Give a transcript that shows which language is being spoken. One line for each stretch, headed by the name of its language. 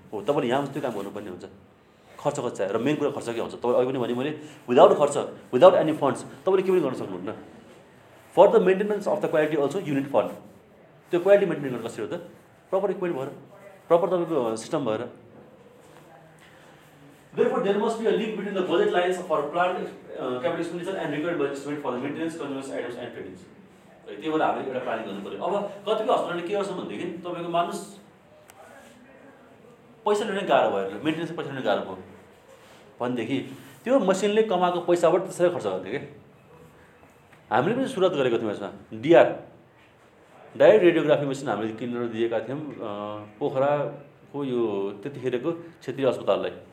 Nepali: हो तपाईँले यहाँ त्यो काम गर्नुपर्ने हुन्छ। खर्च खर्चा र मेन कुरा खर्च के हुन्छ तपाईँ अघि पनि भने मैले विदाउट खर्च
English: without any funds
Nepali: तपाईँले के पनि गर्न सक्नुहुन्न।
English: for the maintenance of the quality also unit fund,
Nepali: त्यो क्वालिटी मेन्टेन गर्नु कसरी हो त, प्रपर इक्विपमेन्ट भएर प्रपर तपाईँको सिस्टम भएर।
English: Therefore, there must be a link between the budget lines for plant capital expenditure and required budget estimate for the maintenance, continuous items and trainings.
Nepali: त्यही भएर हामीले एउटा प्लानिङ गर्नु पऱ्यो। अब कतिको हस्पिटलले के गर्छौँ भनेदेखि तपाईँको मानुस पैसा लिनु गाह्रो भयो, मेन्टेनेन्स पैसा लिनु गाह्रो भयो भनेदेखि त्यो मसिनले कमाएको पैसाबाट त्यसरी खर्च गर्थ्यो कि। हामीले पनि सुरुवात गरेको थियौँ यसमा डिआर डाइरेक्ट रेडियोग्राफी मसिन हामीले किनेर दिएका थियौँ पोखराको यो त्यतिखेरको क्षेत्रीय अस्पताललाई।